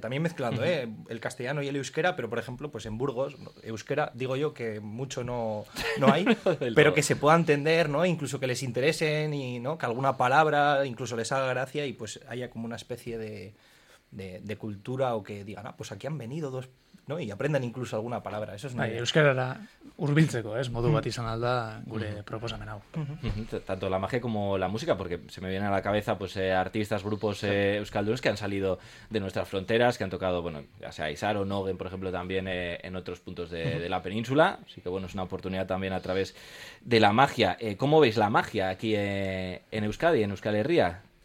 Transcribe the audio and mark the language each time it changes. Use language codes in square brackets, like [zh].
[es] También mezclando el castellano y el euskera, pero, por ejemplo, pues en Burgos, euskera, digo yo que mucho no hay, pero que se pueda entender, ¿no? Incluso que les interesen y, ¿no? Que alguna palabra incluso les haga gracia y pues haya como una especie de cultura, o que digan, ah, pues aquí han venido dos ¿no? Y aprendan incluso alguna palabra. Eso es una [eu] euskarara hurbiltzeko, es modu bat izan alda gure proposamen hau. [es] Tanto la magia como la música, porque se me viene a la cabeza pues artistas, grupos euskaldunes que han salido de nuestras fronteras, que han tocado, bueno, ya sea Isar o Nogen, por ejemplo, también en otros puntos de la península. Así que, bueno, es una oportunidad también a través de la magia. ¿Cómo veis la magia aquí en Euskadi, en Euskal Herria?